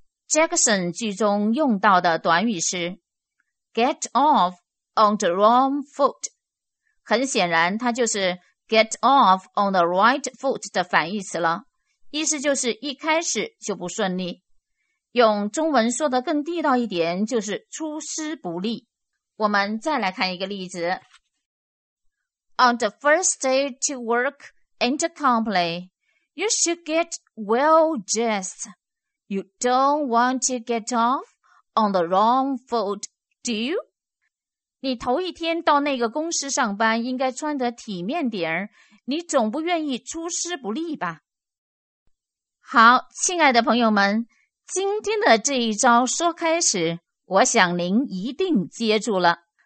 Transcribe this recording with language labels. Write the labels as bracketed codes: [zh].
[zh] Jackson 句中用到的短语是 [en] get off on the wrong foot， [zh] 很显然它就是 [en] get off on the right foot [zh] 的反义词了，意思就是一开始就不顺利。用中文说得更地道一点，就是出师不利。我们再来看一个例子。 [en] On the first day to work in the company, you should get well dressedYou don't want to get off on the wrong foot, do you? [zh] 你头一天到那个公司上班应该穿得体面点儿，你总不愿意出师不利吧？好，亲爱的朋友们，今天的这一招说开始，我想您一定接住了。